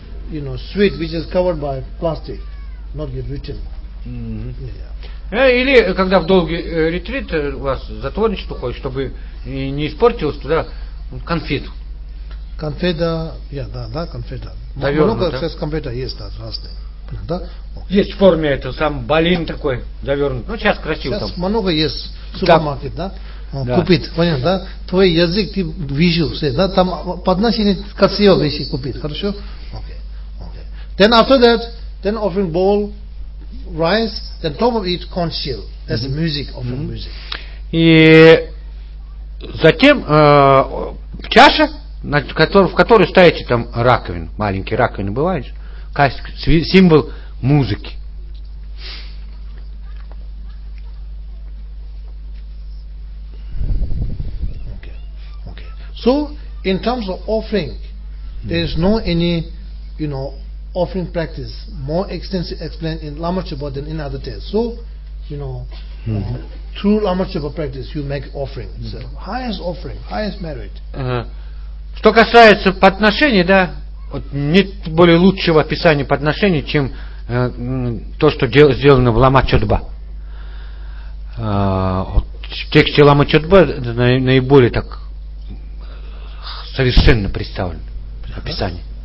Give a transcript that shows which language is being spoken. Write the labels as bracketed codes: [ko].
[en] you know, sweet which is covered by plastic, not get written. [ru] Или когда в долгий ретрит у вас затворничество ходит, чтобы не испортилось туда конфету. Конфета, да, конфета. Много сейчас конфета есть, да, разные. Да? Есть в форме это сам балин такой завернут. Ну, сейчас красиво там. Сейчас много есть в супермаркете, да? Да. Купить, понятно, да? Твой язык ты видел все, да? Там подношение красиво, если купить, хорошо? Окей. [en] Then after that, then offering bowl, rice, then top of it corn shell. That's music, offering music. [ru] И затем чаша, в которой ставите там раковину, маленькие раковины бывают, символ музыки. [en] So, in terms of offering, there is no any, you know, offering practice more extensive explained in Lama Chöpa than in other texts. So, you know, through Lama Chöpa practice, you make offering. It's the highest offering, highest merit. [ru] Что касается подношений, да, вот нет более лучшего описания подношений, чем то, что сделано в Лама Чёдба. Вот в тексте Лама Чёдба наиболее так совершенно представлен описание.